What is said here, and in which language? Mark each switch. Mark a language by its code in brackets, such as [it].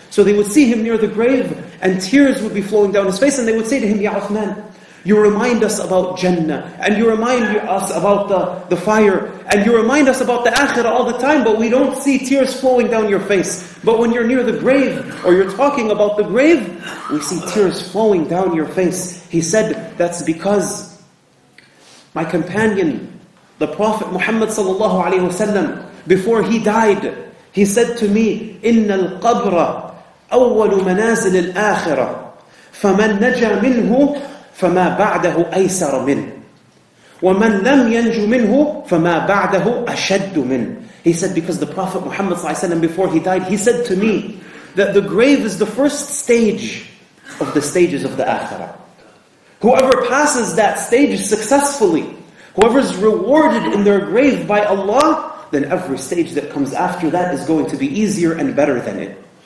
[en] So they would see him near the grave and tears would be flowing down his face, and they would say to him, Ya Uthman, you remind us about Jannah, and you remind us about the fire, and you remind us about the Akhirah all the time, but we don't see tears flowing down your face. But when you're near the grave, or you're talking about the grave, we see tears flowing down your face. He said, that's because my companion, the Prophet Muhammad sallallahu alaihi wasallam, before he died, he said to me, [ar] إِنَّ الْقَبْرَ أَوَّلُ مَنَازِلِ الْآخِرَةِ فَمَنْ نَجَى مِنْهُ فَمَا بَعْدَهُ أَيْسَرَ مِنْ وَمَنْ لَمْ يَنْجُ مِنْهُ فَمَا بَعْدَهُ أَشَدُّ مِنْ. [en] He said, because the Prophet Muhammad sallallahu alaihi wasallam, before he died, he said to me that the grave is the first stage of the stages of the Akhirah. Whoever passes that stage successfully, whoever is rewarded in their grave by Allah, then every stage that comes after that is going to be easier and better than it.